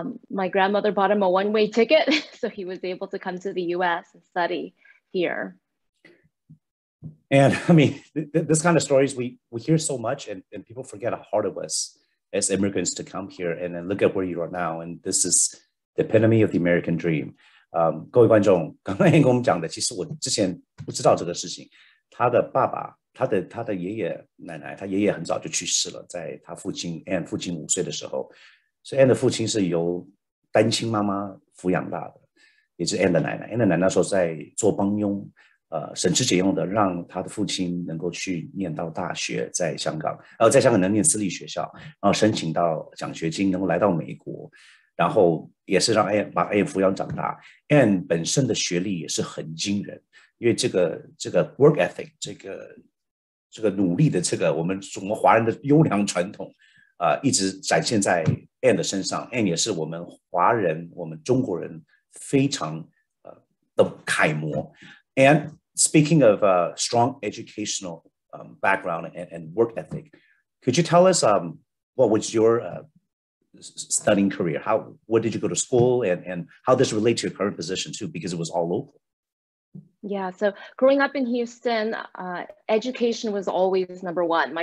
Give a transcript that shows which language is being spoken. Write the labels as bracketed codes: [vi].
[en] My grandmother bought him a one-way ticket, so he was able to come to the U.S. and study here. And I mean, this kind of stories we hear so much, and people forget how hard it was as immigrants to come here. And then look at where you are now, and this is the epitome of the American dream. [zh] 各位观众，刚刚跟我们讲的，其实我之前不知道这个事情，他的爸爸。他的爷爷奶奶，他爷爷很早就去世了，在他父亲 Ann 父亲五岁的时候，所以 Ann 的父亲是由单亲妈妈抚养大的，也是 Ann 的奶奶。 Ann 的奶奶说在做帮佣，省吃俭用的让他的父亲能够去念到大学，在香港，在香港能念私立学校，然后申请到奖学金，能够来到美国，然后也是让 Ann 把 Ann 抚养长大。 Ann 本身的学历也是很惊人，因为这个 work ethic 这个努力的这个我们中国华人的优良传统一直展现在 Ann 的身上。 Ann 也是我们华人我们中国人非常的楷模。 [en] And speaking of a strong educational background and work ethic, could you tell us what was your studying career? What did you go to school and how this relate to your current position too? Because it was all local. Yeah, so growing up in Houston, education was always number one.